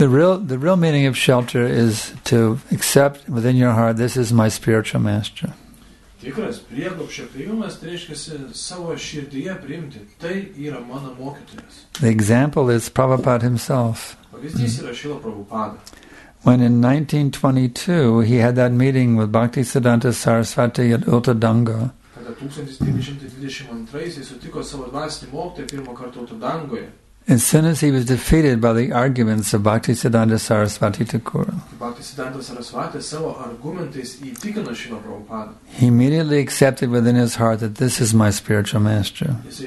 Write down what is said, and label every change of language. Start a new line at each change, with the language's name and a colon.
English: The real meaning of shelter is to accept within your heart, this is my spiritual master.
Lithuanian: Tikras prieglobščio priėmimas tai reiškia savo širdyje priimti. Tai yra mano mokytojas.
English: The example is Prabhupada himself.
Lithuanian: Pavyzdys yra Šila Prabhupada.
English: When in 1922 he had that meeting with Bhaktisiddhanta Sarasvati at Uttadanga.
Lithuanian: Kada 1922 jis sutiko savo dvasinį mokytoją pirmą kartą Uttadangoje.
English: As soon as he was defeated by the arguments of Bhaktisiddhanta Sarasvati Thakura, he immediately accepted within his heart that this is my spiritual master.